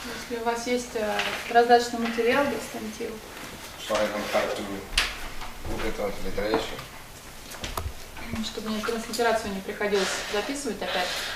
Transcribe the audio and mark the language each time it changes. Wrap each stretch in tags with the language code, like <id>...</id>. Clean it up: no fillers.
<ru>Если у вас есть прозрачный материал, достаньте его.</ru> <en>So I don't have to put it on transliteration.</en> <ru>Чтобы мне транслитерацию не приходилось записывать опять.</ru>